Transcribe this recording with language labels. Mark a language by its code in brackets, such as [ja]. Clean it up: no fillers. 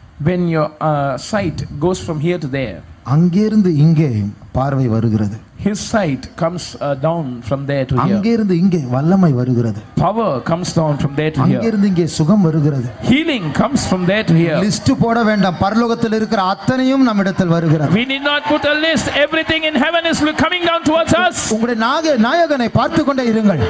[en] when your sight goes from here to there [ta] அங்கிருந்து இங்கே பார்வை வருகிறது. [en] His sight comes down from there to here. [ta] அங்கிருந்து இங்கே வல்லமை வருகிறது. [en] Power comes down from there to here. [ta] அங்கிருந்து இங்கே சுகம் வருகிறது. [en] Healing comes from there to here. [ta] List போட வேண்டாம். பரலோகத்தில் இருக்கிற அத்தனையும் நம்மிடத்தில் வருகிறது. [en] We need not put a list. Everything in heaven is coming down towards us. [ta] உங்களுடைய நாயகனை பார்த்து கொண்டே இருங்கள்.